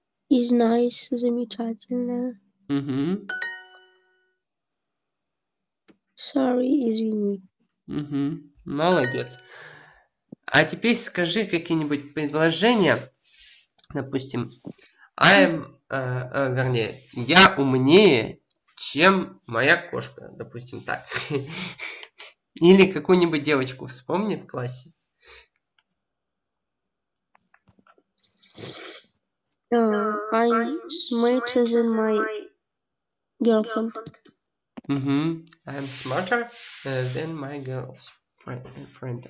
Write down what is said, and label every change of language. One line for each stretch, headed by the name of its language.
English: Is nice,
Russian: замечательно.
English: Sorry,
Russian: извини. Молодец. А теперь скажи какие-нибудь предложения. Допустим, вернее, я умнее, чем моя кошка, допустим, так. Или какую-нибудь девочку вспомни в классе.
English: I'm smarter than my girlfriend. I'm smarter than my girl's friend.